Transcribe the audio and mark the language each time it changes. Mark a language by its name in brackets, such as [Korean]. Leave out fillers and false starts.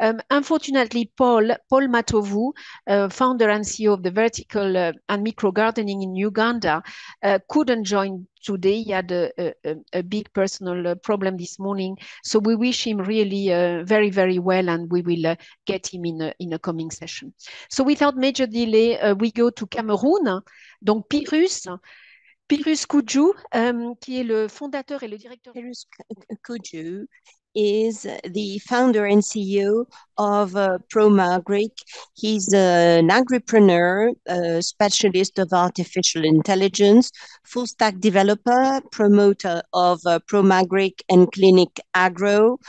[English] Unfortunately, Paul Matovu, founder and CEO of the vertical and micro gardening in Uganda, couldn't join today. He had a big personal problem this morning. So we wish him really very, very well, and we will get him in a coming session. So without major delay, we go to Cameroon. [French] Donc Pyrrus KOUDJOU, qui est le fondateur et le directeur. [English] Pyrrus KOUDJOU is the founder and CEO of Promagric. He's an agripreneur, a specialist of artificial intelligence, full stack developer, promoter of Promagric and ClinicAgro.